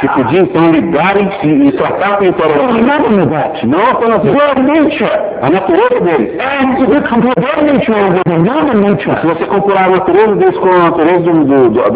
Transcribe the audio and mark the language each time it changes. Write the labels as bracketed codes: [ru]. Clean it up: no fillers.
[pt] Que podia então lidar e tratar com o Império Romano. [en] Oh, remember that. [pt] Não apenas [en] isso. Their nature. [pt] A natureza deles. [en] And if you compare their nature with the Roman nature. [pt] Se você comparar a natureza deles com a natureza do